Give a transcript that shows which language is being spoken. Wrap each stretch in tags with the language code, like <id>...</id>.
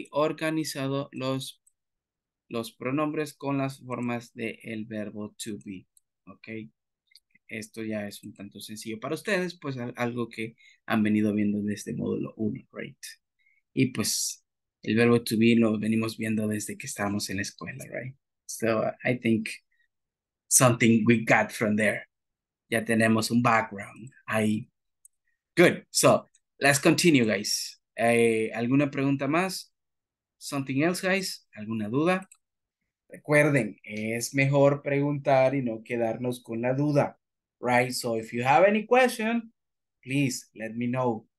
<es>Organizado los pronombres con las formas del verbo to be. ¿Ok? Esto ya es un tanto sencillo para ustedes, pues algo que han venido viendo desde módulo 1, right? Y pues... el verbo to be lo venimos viendo desde que estábamos en la escuela, right?</es> <en>So I think something we got from there.</en> <es>Ya tenemos un background. Good.</es> <en>So let's continue, guys.</en> <es>¿Alguna pregunta más?</es> <en>Something else, guys?</en> <es>¿Alguna duda? Recuerden, es mejor preguntar y no quedarnos con la duda.</es> <en>Right? So if you have any question, please let me know.</en>